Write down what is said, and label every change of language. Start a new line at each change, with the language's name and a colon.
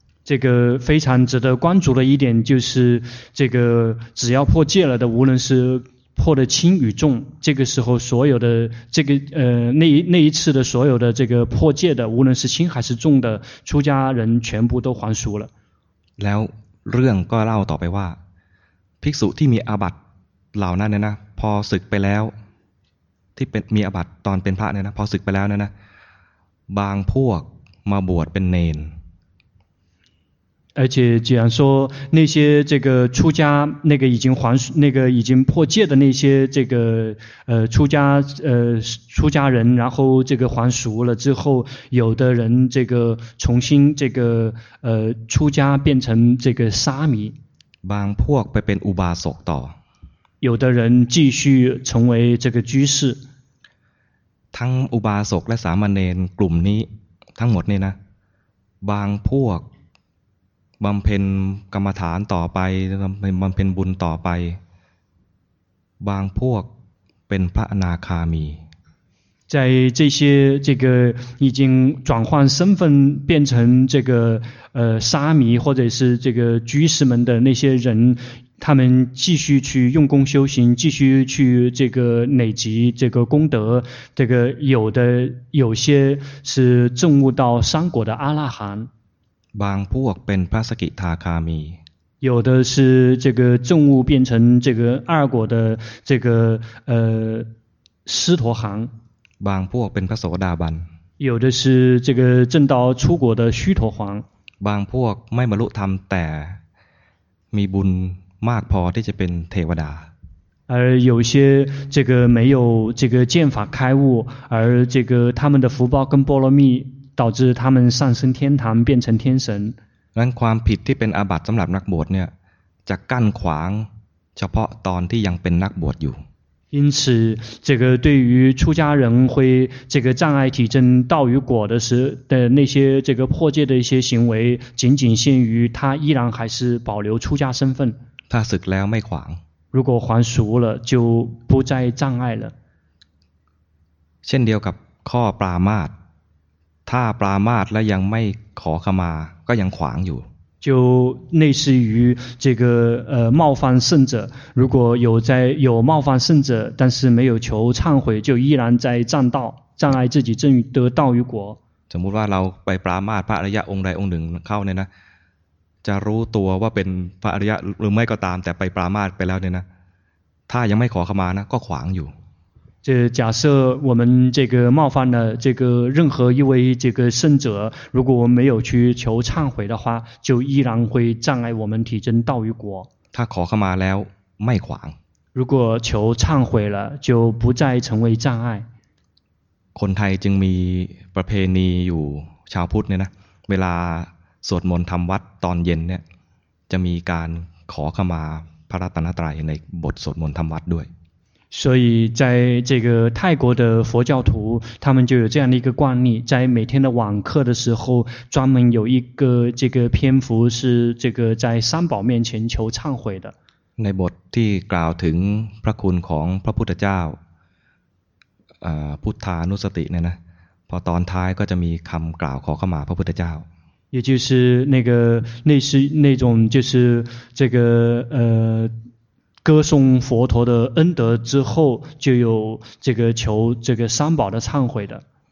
Chinese: 这个非常值得关注的一点就是这个只要破戒了的无论是破的轻与重这个时候所有的这个那一次的所有的这个破戒的无论是轻还是重的出家人全部都还俗了
Thai: แล้วเรื่องก็เล่าต่อไปว่าภิกษุที่มีอาบัติเหล่านั้นเนี่ยนะพอสึกไปแล้วที่เป็นมีอาบัติตอนเป็นพระเนี่ยนะพอสึกไปแล้วเนี่ยนะบางพวกมาบวชเป็นเนน
Chinese: 而且既然说那些这个出家那个已经还那个已经破戒的那些这个出家人然后这个还俗了之后有的人这个重新这个出家变成这个沙弥
Thai: บางพวกไปเป็นอุบาสกต่อ
Chinese: 有的人继续成为这个居士
Thai: ทั้งอุบาสกและสามเณรกลุ่มนี้ทั้งหมดเนี่ยนะบางพวกบำเพ็ญกรรมฐานต่อไปบำเพ็ญบุญต่อไปบางพวกเป็นพระอนาคามี
Chinese: 在这些这个已经转换身份变成这个沙弥或者是这个居士们的那些人他们继续去用功修行继续去这个累积这个功德这个有些是证悟到三果的阿拉含
Thai: บางพวกเป็นพระสกิทาคามี
Chinese: 有的是这个证悟变成这个二果的这个斯陀含
Thai: บางพวกเป็นพระโสดาบัน
Chinese: 有的是这个证到出果的须陀洹
Thai: บางพวกไม่บรรลุธรรมแต่มีบุญมากพอที่จะเป็นเทวดา
Chinese: 而有些这个没有这个见法开悟而这个他们的福报跟波罗蜜导致他们上升天堂变成天神
Thai: นั้นความผิดที่เป็นอาบัติสำหรับนักบวชเนี่ยจะกั้นขวางเฉพาะตอนที่ยังเป็นนักบวชอยู่
Chinese: 因此这个对于出家人会这个障碍体证道与果的时的那些这个破戒的一些行为仅仅限于他依然还是保留出家身份
Thai: ถ้าศึกแล้วไม่ขวาง
Chinese: 如果还俗了就不再障碍了
Thai: เช่นเดียวกับข้อปรามาสถ้าปรามาสและยังไม่ขอขมาก็ยังขวางอยู่
Chinese: 就类似于这个冒犯圣者如果有冒犯圣者但是没有求忏悔就依然在障道障碍自己正得道与果
Thai: สมมุติว่าเราไปปรามาสพระอริยะองค์ใดองค์หนึ่งเข้าเนี่ยนะจะรู้ตัวว่าเป็นพระอริยะหรือไม่ก็ตามแต่ไปปรามาสไปแล้วเนี่ยนะถ้ายังไม่ขอขมานะก็ขวางอยู่
Chinese: 这假设我们这个冒犯了这个任何一位这个圣者如果我们没有去求忏悔的话就依然会障碍我们体证道与果
Thai: 他ขอเข้ามาแล้วไม่ขวาง
Chinese: 如果求忏悔了就不再成为障碍
Thai: คนไทยจึงมีประเพณีอยู่ชาวพุทธเนี่ยนะเวลาสวดมนต์ทำวัดตอนเย็นเนี่ยจะมีการขอเข้ามาพระรัตนตรัยในบทสวดมนต์ทำวัดด้วย
Chinese: 所以在这个泰国的佛教徒他们就有这样的一个惯例在每天的晚课的时候专门有一个这个篇幅是这个在三宝面前求忏悔的
Thai: ในบทที่กล่าวถึงพระคุณของพระพุทธเจ้าพุทธานุสติเนี่ยนะพอตอนท้ายก็จะมีคำกล่าวขอเข้ามาพระพุทธเจ้า
Chinese: 也就是那个类似那种就是这个歌颂佛陀的恩德之后就有这个求这个三宝的忏悔的